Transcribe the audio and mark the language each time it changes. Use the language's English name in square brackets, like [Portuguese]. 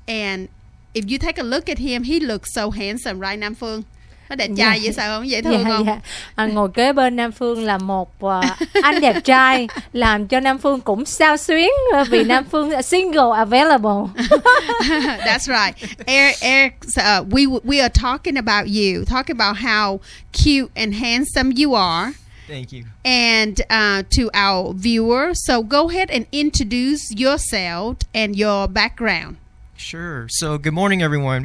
[English] And if you take a look at him, he looks so handsome, right, Nam Phương? [Vietnamese] Nó đẹp trai vậy sao không? Dễ thương không? [English] Yeah. [Vietnamese] Ngồi kế bên Nam Phương là một anh đẹp trai, làm cho Nam Phương cũng sao xuyến vì Nam Phương [English] single available. That's right. Eric, we are talking about you, talking about how cute and handsome you are. Thank you. And to our viewer, so go ahead and introduce yourself and your background. Sure. So good morning, everyone.